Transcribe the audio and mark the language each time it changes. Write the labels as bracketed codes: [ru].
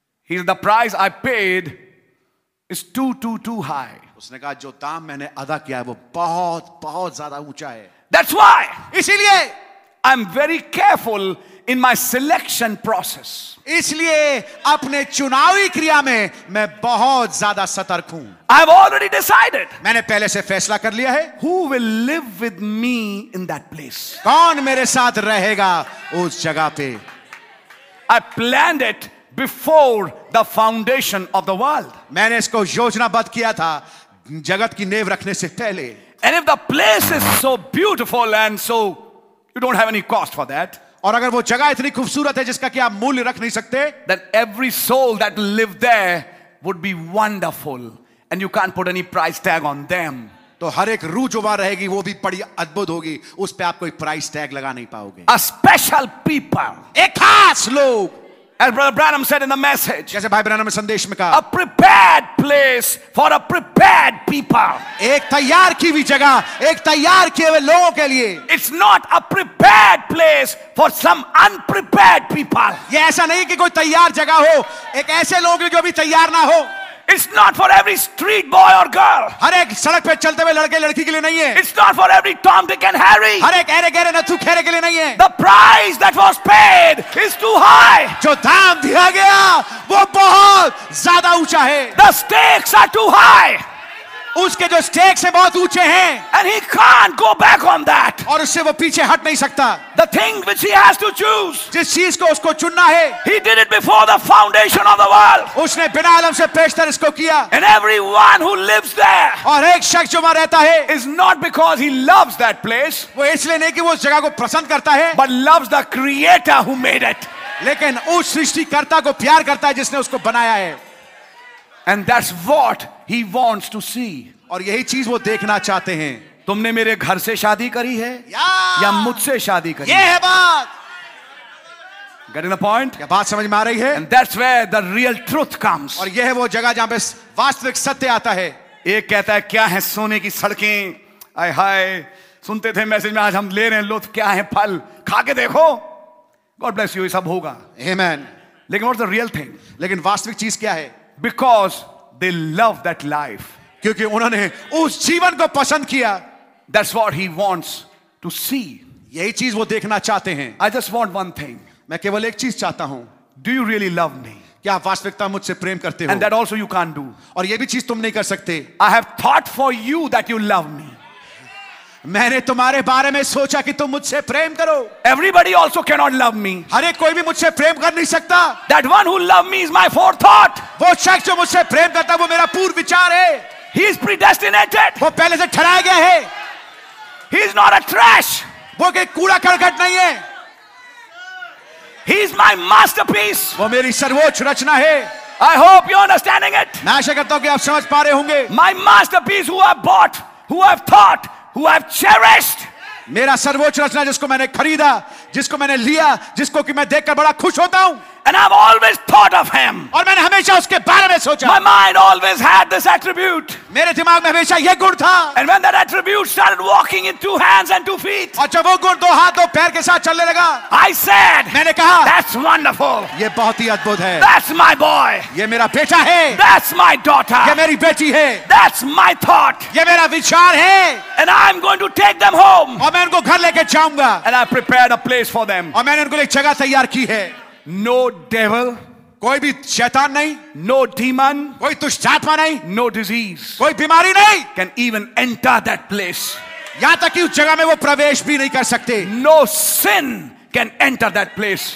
[en] He said, the price I paid is too high. [hi] उसने कहा, जो दाम मैंने अदा किया है वो बहुत बहुत ज्यादा ऊंचा है. [en] That's why, [hi] इसीलिए [en] I'm very careful in my selection process. [hi] इसलिए अपने चुनावी क्रिया में मैं बहुत ज्यादा सतर्क हूं. [en] I've already decided, [hi] मैंने पहले से फैसला कर लिया है. [en] Who will live with me in that place? [hi] कौन मेरे साथ रहेगा उस जगह पे? [en] I planned it before the foundation of the world. [hi] मैंने इसको योजनाबद्ध किया था जगत की नेव रखने से पहले. [en] And if the place is so beautiful and so you don't have any cost for that, [hi] और अगर वो जगह इतनी खूबसूरत है जिसका कि आप मूल्य रख नहीं सकते, [en] then every soul that live there would be wonderful and you can't put any price tag on them. [hi] तो हर एक रूह जो वहां रहेगी वो भी बड़ी अद्भुत होगी, उस पे आप कोई प्राइस टैग लगा नहीं पाओगे. [en] A special people, [hi] एक खास लोग. [en] As Brother Branham said in the message, [hi] जैसे भाई ब्रैनम ने संदेश में कहा, [en] a prepared place for a prepared people, [hi] एक तैयार की हुई जगह एक तैयार किए हुए लोगों के लिए. [en] It's not a prepared place for some unprepared people, [hi] ये ऐसा नहीं कि कोई तैयार जगह हो एक ऐसे लोगों के जो भी तैयार ना हो. [en] It's not for every street boy or girl, [hi] हर एक सड़क पे चलते हुए लड़के लड़की के लिए नहीं है. [en] It's not for every Tom, Dick and Harry, [hi] हर एक ऐरे गैरे नथु खेरे के लिए नहीं है. [en] The price that was paid is too high, [hi] जो दाम दिया गया वो बहुत ज्यादा ऊंचा है. [en] The stakes are too high, [hi] उसके जो स्टेक्स है बहुत ऊंचे हैं. [en] And he can't go back on that, [hi] और उससे वो पीछे हट नहीं सकता. [en] The thing which he has to choose, [hi] जिस चीज को उसको चुनना है. [en] He did it before the foundation of the world, [hi] उसने बिना आलम से पेशतर इसको किया. [en] And everyone who lives there, [hi] और एक शख्स जो वहां रहता है, [en] is not because he loves that place, [hi] वो इसलिए नहीं कि वो उस जगह को पसंद करता है, [en] but loves the creator who made it, [hi] लेकिन उस सृष्टिकर्ता को प्यार करता है जिसने उसको बनाया है. [en] And that's what he wants to see. [hi] और यही चीज वो देखना चाहते हैं. तुमने मेरे घर से शादी करी है या मुझसे शादी करी है? ये है बात. [en] Getting the point? [hi] क्या बात समझ में आ रही है? [en] And that's where the real truth comes. [hi] और यह है वो जगह जहाँ पे वास्तविक सत्य आता है. एक कहता है क्या है सोने की सड़कें? आय हाय सुनते थे मैसेज में आज हम ले रहे हैं लुत्फ क्या है फल खा के देखो. [en] God bless you, [hi] ये सब होगा. [en] Amen. [hi] लेकिन [en] what's the real thing? [hi] लेकिन वास्तविक चीज क्या है? [en] Because they love that life. [hi] क्योंकि उन्होंने उस जीवन को पसंद किया. [en] That's what he wants to see. [hi] यही चीज वो देखना चाहते हैं. [en] I just want one thing. [hi] मैं केवल एक चीज चाहता हूं. [en] Do you really love me? [hi] क्या आप वास्तविकता मुझसे प्रेम करते हो? [en] And that also you can't do. [hi] और ये भी चीज तुम नहीं कर सकते. [en] I have thought for you that you love me. [hi] मैंने तुम्हारे बारे में सोचा कि तुम मुझसे प्रेम करो. [en] Everybody also cannot love me. [hi] हर एक कोई भी मुझसे प्रेम कर नहीं सकता. [en] That one who love me is my forethought. [hi] वो शख्स जो मुझसे प्रेम करता है वो मेरा पूर्व विचार है. [en] He is predestinated. [hi] वो पहले से ठहराया गया है. [en] He is not a trash. [hi] वो एक कूड़ा करकट नहीं है. [en] He is my masterpiece. [hi] वो मेरी सर्वोच्च रचना है. [en] I hope you're understanding it. [hi] मैं आशा करता हूँ कि आप समझ पा रहे होंगे. [en] My masterpiece, who I bought, who I've thought, who I've cherished. [hi] मेरा सर्वोच्च रचना जिसको मैंने खरीदा, जिसको मैंने लिया, जिसको कि मैं देखकर बड़ा खुश होता हूँ. [en] And I've always thought of him. [hi] और मैंने हमेशा उसके बारे में सोचा. [en] My mind always had this attribute. [hi] मेरे दिमाग में हमेशा ये गुण था. [en] And when that attribute started walking in two hands and two feet. [hi] और जब वो गुण दो हाथ दो पैर के साथ चलने लगा. [en] I said. [hi] मैंने कहा. [en] That's wonderful. [hi] ये बहुत ही अद्भुत है. [en] That's my boy. [hi] ये मेरा बेटा है. [en] That's my daughter. [hi] ये मेरी बेटी है. [en] That's my thought. [hi] ये मेरा विचार है. [en] And I'm going to take them home. [hi] और मैं उनको घर लेके जाऊंगा. [en] And I prepared a place for them. [hi] और मैंने उनको एक जगह तैयार की है. [en] No devil, [hi] कोई भी शैतान नहीं. [en] No demon, [hi] कोई दुष्टात्मा नहीं. [en] No disease, [hi] कोई बीमारी नहीं. [en] Can even enter that place, [hi] यहां तक कि उस जगह में वो प्रवेश भी नहीं कर सकते. [en] No sin can enter that place,